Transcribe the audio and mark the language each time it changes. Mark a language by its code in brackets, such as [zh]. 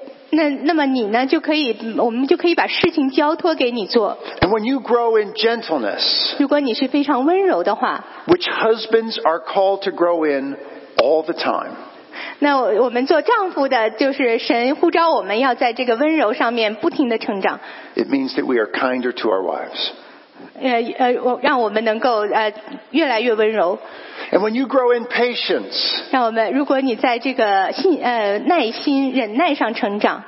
[zh] 那么你呢就可以我们就可以把事情交托给你做。 [en] And when you grow in gentleness, [zh] 如果你是非常温柔的话 [en] which husbands are called to grow in all the time. [zh] 那我们做丈夫的就是神呼召我们要在这个温柔上面不停地成长。 [en] It means that we are kinder to our wives. [zh] 让我们能够越来越温柔。 [en] And when you grow in patience, [zh] 让我们如果你在这个耐心忍耐上成长